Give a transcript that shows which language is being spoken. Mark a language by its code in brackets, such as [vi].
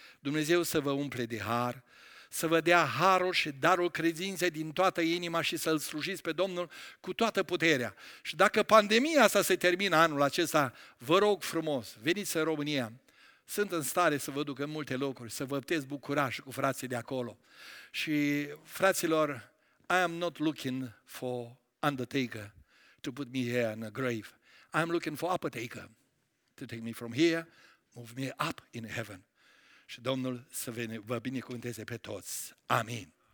[ro] Dumnezeu să vă umple de har, să vă dea harul și darul credinței din toată inima și să-L slujiți pe Domnul cu toată puterea. Și dacă pandemia asta se termină anul acesta, vă rog frumos, veniți în România. Sunt în stare să vă duc în multe locuri, să vă puteți bucura și cu frații de acolo. Și fraților, [en] I am not looking for undertaker to put me here in a grave. I am looking for apotheker to take me from here, move me up in heaven. [ro] Și Domnul să vă binecuvânteze pe toți. Amin.